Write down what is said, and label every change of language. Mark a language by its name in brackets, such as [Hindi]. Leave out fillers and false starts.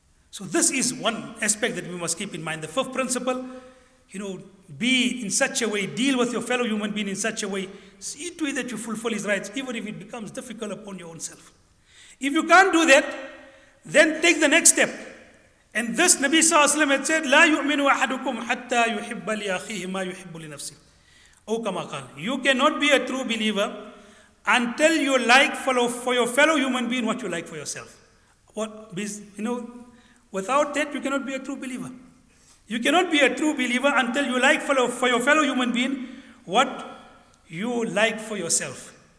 [English] So this is one aspect that we must keep in mind. The fifth principle, you know, be in such a way, deal with your fellow human being in such a way, see to it that you fulfill his rights, even if it becomes difficult upon your own self. If you can't do that, then take the next step. And this Nabi Sallallahu Alaihi Wasallam had said, [Arabic] لا يؤمن أحدكم حتى يحب لأخيه ما يحب لنفسه. أو كما قال, [English] you cannot be a true believer until you like for your fellow human being what you like for yourself. What, you know, without that, you cannot be a true believer. You cannot be a true believer until you like for your fellow human being what you like for yourself.